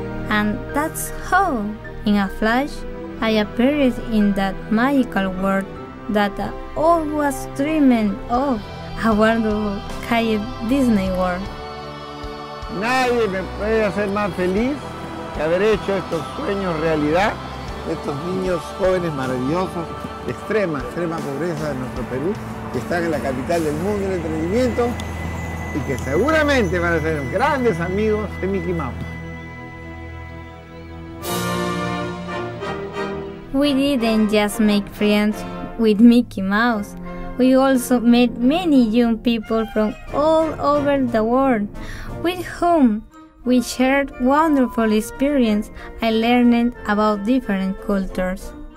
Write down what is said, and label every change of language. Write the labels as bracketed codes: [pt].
[en] And that's how, in a flash, I appeared in that magical world that I always dreamed of, a wonderful Calle Disney World. [es] Nadie me puede hacer más feliz que haber hecho estos sueños realidad, estos niños jóvenes maravillosos, de extrema, extrema pobreza de nuestro Perú, que están en la capital del mundo del entretenimiento y que seguramente van a ser grandes amigos de Mickey Mouse. [en] We didn't just make friends with Mickey Mouse. We also met many young people from all over the world with whom We shared wonderful experience. I learned about different cultures.